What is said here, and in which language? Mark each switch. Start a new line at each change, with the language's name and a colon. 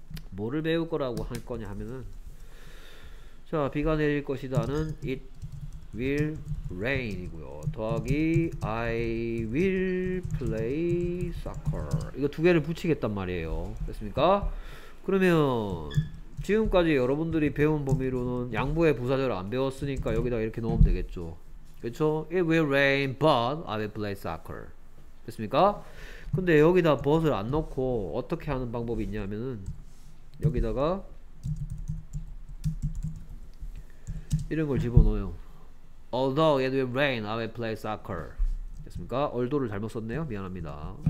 Korean: 뭐를 배울 거라고 할 거냐 하면은, 자, 비가 내릴 것이다는
English: it will rain
Korean: 이고요.
English: 더하기 I will play soccer.
Korean: 이거 두 개를 붙이겠단 말이에요. 됐습니까? 그러면 지금까지 여러분들이 배운 범위로는 양보의 부사절을 안 배웠으니까 여기다 이렇게 넣으면 되겠죠. 그쵸?
English: It will rain but I will play soccer.
Korean: 됐습니까? 근데 여기다 but을 안 넣고 어떻게 하는 방법이 있냐면은, 여기다가 이런 걸 집어넣어요.
English: Although it will rain, I will play soccer.
Korean: 됐습니까? although를 잘못 썼네요. 미안합니다.